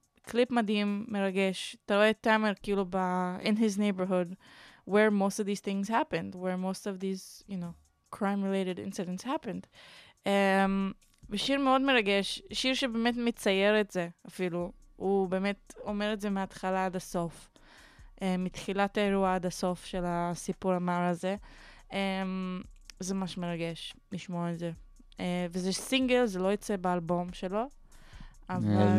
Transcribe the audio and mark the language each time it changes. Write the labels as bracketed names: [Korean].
[Hebrew] קליפ מדהים, מרגש. אתה רואה את טיימר כאילו ב... [English] in his neighborhood, where most of these things happened, where most of these, you know, crime-related incidents happened. [Hebrew] ושיר מאוד מרגש, שיר שבאמת מצייר את זה אפילו, הוא באמת אומר את זה מההתחלה עד הסוף, מתחילת האירוע עד הסוף של הסיפור המר הזה. זה ממש מרגש לשמוע את זה. וזה סינגל, זה לא יצא באלבום שלו, אבל...